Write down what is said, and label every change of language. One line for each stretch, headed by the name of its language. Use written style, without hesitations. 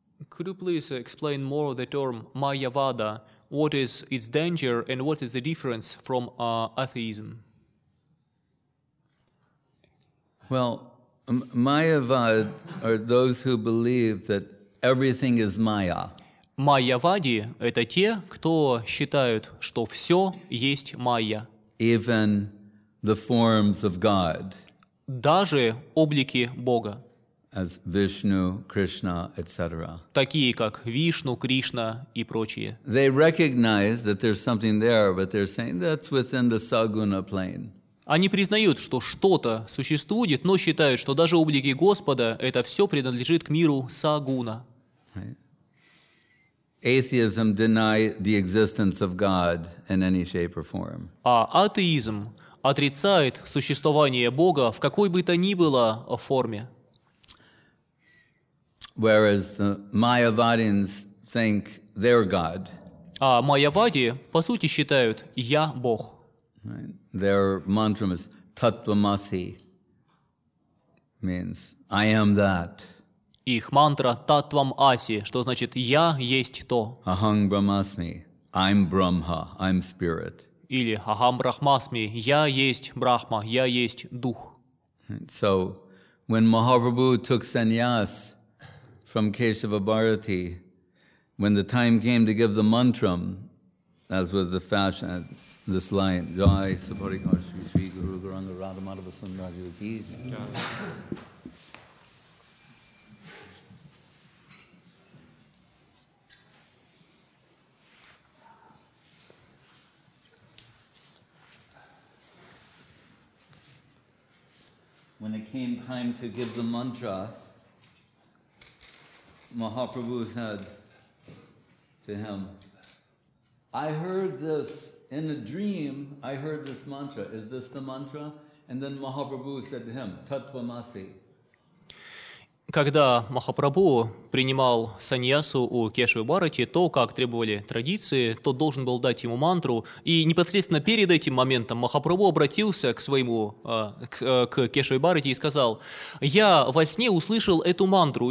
English: Could you please explain more the term Mayavada? What is its danger and what is the difference from atheism? Well, Mayavad are those who believe that everything is Maya.
Russian: Mayavadi – это те, кто считают, что все есть Майя.
English: Even the forms of God.
Russian: Даже облики Бога.
English: As Vishnu, Krishna, etc.
Russian: Такие как Вишну, Кришна и прочие.
English: They recognize that there's something there, but they're saying that's within the saguna plane.
Russian: Они признают, что что-то существует, но считают, что даже облики Господа это все принадлежит к миру сагуна.
English: Atheism denies the existence of God in any shape or form.
Russian: А атеизм отрицает существование Бога в какой бы то ни было форме.
English: Whereas the Mayavadins think they're God.
Russian: А Майявади, по сути, считают, я Бог.
English: Their mantra is Tattvamasi, means I am that.
Russian: Их мантра Tattvam Asi, что значит я есть то.
English: Aham Brahmasmi, I'm Brahma, I'm Spirit.
Russian: Или Aham Brahmasmi, я есть Брахма, я есть Дух.
English: So, when Mahaprabhu took sannyas from Keshava Bharati, when the time came to give the mantram, as was the fashion, this line, Jai Sapari Kaushri Sri Guru Guranga Radha Madhava Sundaraji Vakhi. When it came time to give the mantra, Mahaprabhu said to him, I heard this in a dream, I heard this mantra. Is this the mantra? And then Mahaprabhu said to him, Tattvamasi.
Russian: Когда Махапрабху принимал саньясу у Кешавы Бхарати, то, как требовали традиции, тот должен был дать ему мантру. И непосредственно перед этим моментом Махапрабху обратился к своему, к Кешавы Бхарати и сказал, «Я во сне услышал эту мантру.